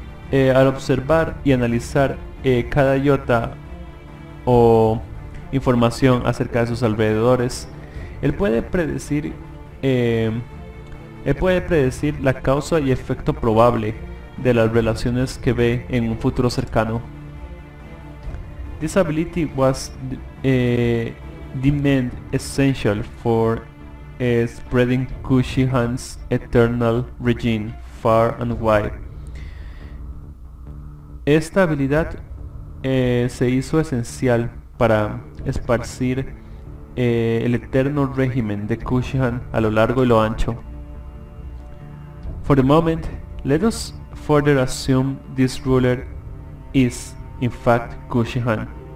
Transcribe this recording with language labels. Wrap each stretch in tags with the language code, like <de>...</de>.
<es>Al observar y analizar cada iota o información acerca de sus alrededores, él puede predecir la causa y efecto probable de las relaciones que ve en un futuro cercano.</es> <en>This ability was deemed essential for spreading Kushihan's eternal regime far and wide.</en> <es>Esta habilidad se hizo esencial para esparcir el eterno régimen de Kushihan a lo largo y lo ancho.</es> <en>For the moment, let us further assume this ruler is, in fact, Kushihan.</en>